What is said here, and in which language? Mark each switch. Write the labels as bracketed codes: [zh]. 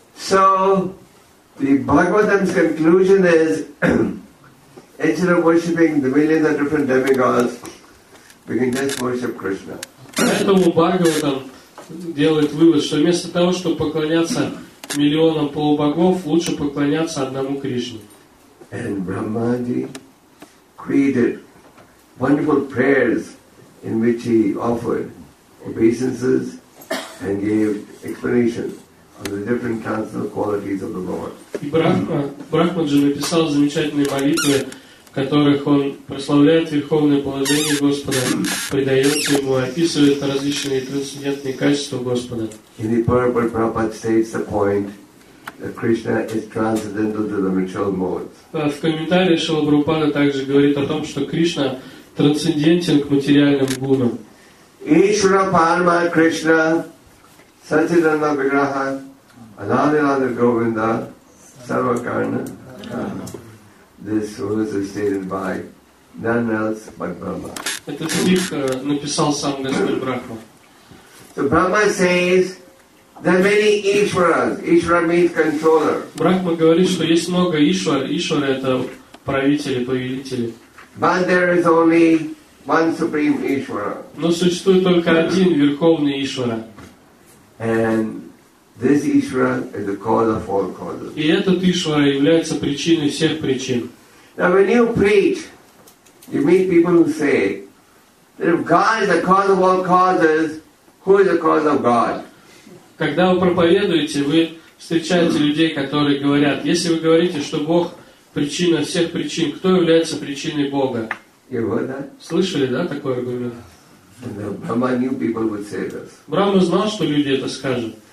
[en] So, the Bhagavatam's conclusion is, instead of worshipping the millions of different demigods, we can just worship Krishna. [ru] Поэтому Бхагаватам делает вывод, что вместо того, чтобы поклоняться миллионам полубогов, лучше поклоняться одному Кришне. [en] And Brahmaji created wonderful prayers in which he offered obeisances and gave explanations of the different transcendental qualities of the Lord. [ru] И Брахмаджи написал замечательные молитвы, в которых он прославляет верховное положение Господа, предается ему, описывает различные трансцендентные качества Господа. [en] In the Purport, Prabhupada states the point that Krishna is transcendental to the material modes. [ru] В комментариях Шрила Прабхупада также говорит о том, что Кришна трансцендентен к материальным гунам. [sa] Ишвара Парма Кришна Сачидана Виграха Ананирана Говинда Сарва Карна. [en] This verse is stated by none else but Brahma. [ru] Этот стих написал сам Господь Брахма. [en] So Brahma says there are many Ишварас. Ишвара means controller. [ru] Брахма говорит, что есть много Ишвар. Ишвар это правители, повелители. [en] But there is only one supreme Ishvara. [ru] Но существует только один верховный Ишвара. [en] And this Ishvara is the cause of all causes. [ru] И этот Ишвара является причиной всех причин. [en] Now when you preach, you meet people who say that if God is the cause of all causes, who is the cause of God? [ru] Когда вы проповедуете, вы встречаете людей, которые говорят, если вы говорите, что Бог причина всех причин. Кто является причиной Бога? Слышали, да, такой аргумент? [en] Brahma knew people would say this. [ru] Брахма знал, что люди это скажут.